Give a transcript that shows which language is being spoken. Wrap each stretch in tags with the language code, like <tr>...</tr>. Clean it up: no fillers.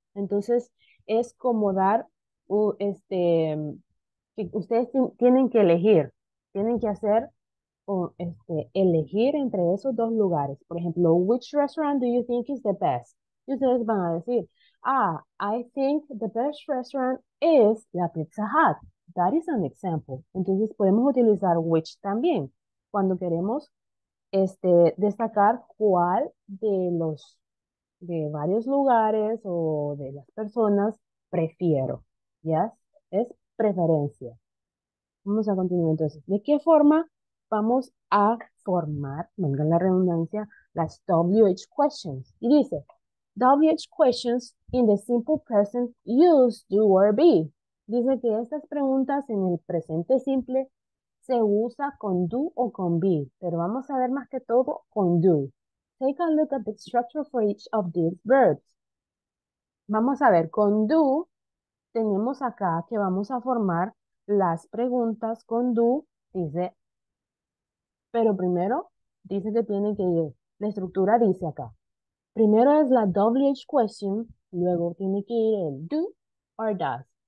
<es>Entonces, es como dar, que ustedes tienen que elegir, tienen que hacer, elegir entre esos dos lugares. Por ejemplo,</es> <en>which restaurant do you think is the best?</en> <es>Y ustedes van a decir,</es> <en>ah, I think the best restaurant is la Pizza Hut. That is an example.</en> <es>Entonces podemos utilizar which también cuando queremos destacar cuál de los de varios lugares o de las personas prefiero. ¿Yes? Es preferencia. Vamos a continuar entonces. ¿De qué forma vamos a formar, venga la redundancia, las WH questions? Y dice,</es> <en>WH questions in the simple present use do or be.</en> <es>Dice que estas preguntas en el presente simple se usa con do o con be, pero vamos a ver más que todo con do.</es> <en>Take a look at the structure for each of these verbs.</en> <es>Vamos a ver, con do tenemos acá que vamos a formar las preguntas con do, dice, pero primero dice que tienen que ir. La estructura dice acá. Primero es la WH question, luego tiene que ir el do or does.</es>